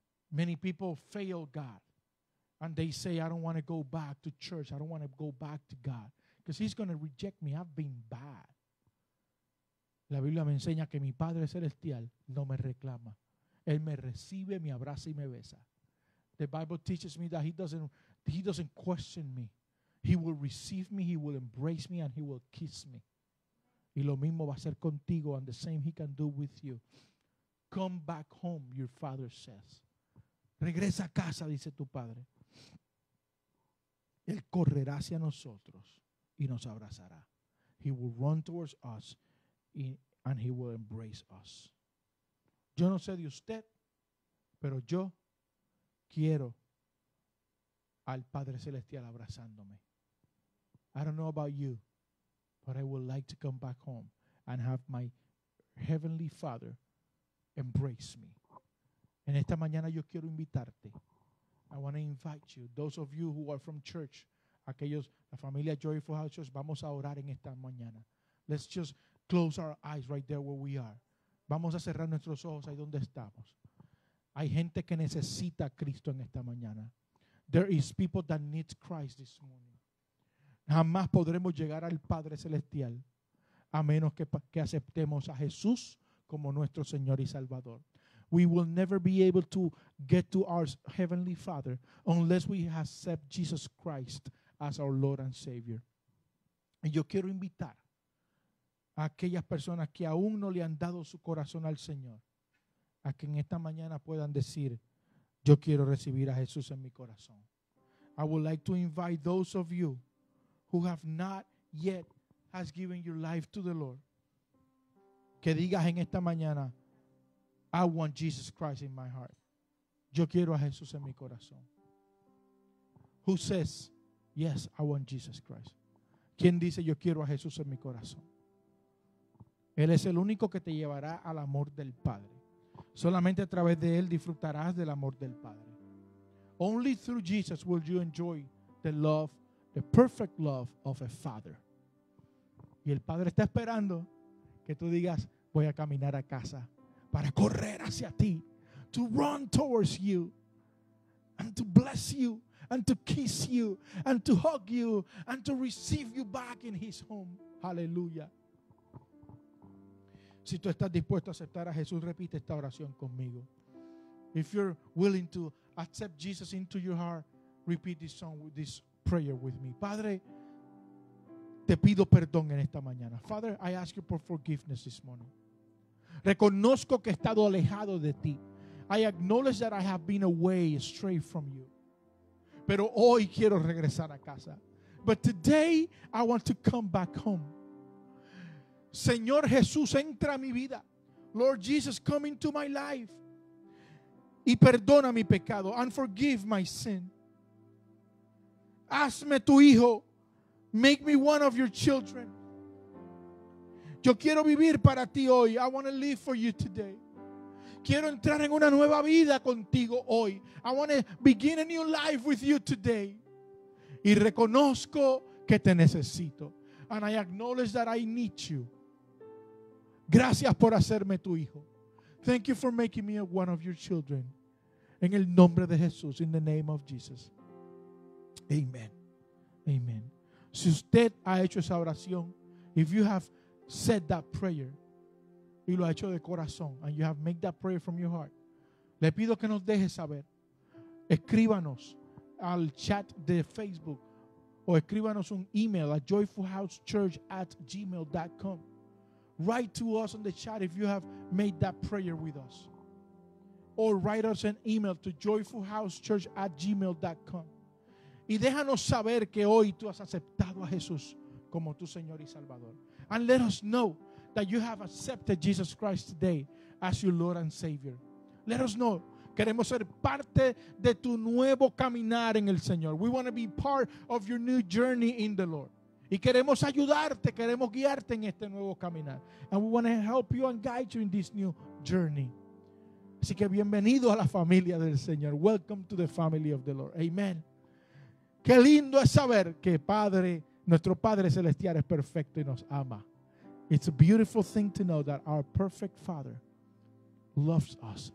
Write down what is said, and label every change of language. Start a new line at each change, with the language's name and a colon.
English: Many people fail God. And they say, I don't want to go back to church. I don't want to go back to God. Because he's going to reject me. I've been bad.
Spanish: La Biblia me enseña que mi Padre Celestial no me reclama. Él me recibe, me abraza y me besa.
English: The Bible teaches me that he doesn't question me. He will receive me, he will embrace me, and he will kiss me.
Spanish: Y lo mismo va a ser contigo,
English: and the same he can do with you. Come back home, your father says.
Spanish: Regresa a casa, dice tu padre. Él correrá hacia nosotros y nos abrazará.
English: He will run towards us, and he will embrace us.
Spanish: Yo no sé de usted, pero yo quiero al Padre Celestial abrazándome.
English: I don't know about you, but I would like to come back home and have my Heavenly Father embrace me.
Spanish: En esta mañana yo quiero invitarte.
English: I want to invite you, those of you who are from church,
Spanish: aquellos, la familia Joyful House Church, vamos a orar en esta mañana.
English: Let's just close our eyes right there where we are.
Spanish: Vamos a cerrar nuestros ojos ahí donde estamos. Hay gente que necesita a Cristo en esta mañana.
English: There is people that need Christ this morning.
Spanish: Jamás podremos llegar al Padre Celestial a menos que aceptemos a Jesús como nuestro Señor y Salvador.
English: We will never be able to get to our Heavenly Father unless we accept Jesus Christ as our Lord and Savior.
Spanish: Y yo quiero invitar a aquellas personas que aún no le han dado su corazón al Señor a que en esta mañana puedan decir, yo quiero recibir a Jesús en mi corazón.
English: I would like to invite those of you who have not yet has given your life to the Lord,
Spanish: que digas en esta mañana,
English: I want Jesus Christ in my heart.
Spanish: Yo quiero a Jesús en mi corazón.
English: Who says, yes, I want Jesus Christ.
Spanish: ¿Quién dice, yo quiero a Jesús en mi corazón? Él es el único que te llevará al amor del Padre. Solamente a través de Él disfrutarás del amor del Padre.
English: Only through Jesus will you enjoy the love, the perfect love of a father.
Spanish: Y el Padre está esperando que tú digas, voy a caminar a casa para correr hacia ti,
English: to run towards you, and to bless you, and to kiss you, and to hug you, and to receive you back in his home.
Spanish: Hallelujah. Si tú estás dispuesto a aceptar a Jesús, repite esta oración conmigo.
English: If you're willing to accept Jesus into your heart, repeat this song, this prayer with me.
Spanish: Padre, te pido perdón en esta mañana.
English: Father, I ask you for forgiveness this morning.
Spanish: Reconozco que he estado alejado de ti.
English: I acknowledge that I have been away, astray from you.
Spanish: Pero hoy quiero regresar a casa.
English: But today, I want to come back home.
Spanish: Señor Jesús, entra a mi vida.
English: Lord Jesus, come into my life.
Spanish: Y perdona mi pecado.
English: And forgive my sin.
Spanish: Hazme tu hijo.
English: Make me one of your children.
Spanish: Yo quiero vivir para ti hoy.
English: I want to live for you today.
Spanish: Quiero entrar en una nueva vida contigo hoy.
English: I want to begin a new life with you today.
Spanish: Y reconozco que te necesito.
English: And I acknowledge that I need you.
Spanish: Gracias por hacerme tu hijo.
English: Thank you for making me one of your children.
Spanish: En el nombre de Jesús,
English: in the name of Jesus.
Spanish: Amen. Amen. Si usted ha hecho esa oración,
English: if you have said that prayer,
Spanish: y lo ha hecho de corazón,
English: and you have made that prayer from your heart,
Spanish: le pido que nos deje saber. Escríbanos al chat de Facebook o escríbanos un email a joyfulhousechurch@gmail.com.
English: Write to us on the chat if you have made that prayer with us. Or write us an email to joyfulhousechurch@gmail.com.
Spanish: Y déjanos saber que hoy tú has aceptado a Jesús como tu Señor y Salvador.
English: And let us know that you have accepted Jesus Christ today as your Lord and Savior. Let us know.
Spanish: Queremos ser parte de tu nuevo caminar en el Señor.
English: We want to be part of your new journey in the Lord.
Spanish: Y queremos ayudarte, queremos guiarte en este nuevo caminar.
English: And we want to help you and guide you in this new journey.
Spanish: Así que bienvenido a la familia del Señor.
English: Welcome to the family of the Lord.
Spanish: Amen. Qué lindo es saber que Padre, nuestro Padre Celestial es perfecto y nos ama.
English: It's a beautiful thing to know that our perfect Father loves us.